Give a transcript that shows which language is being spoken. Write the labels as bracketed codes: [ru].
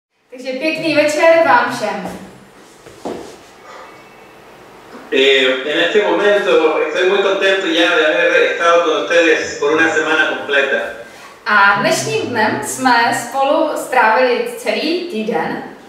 [cs] Takže pěkný večer vám všem. [es] En este momento estoy muy contento ya de haber estado con ustedes por una semana completa. [cs] A dnešním dnem jsme spolu strávili celý týden.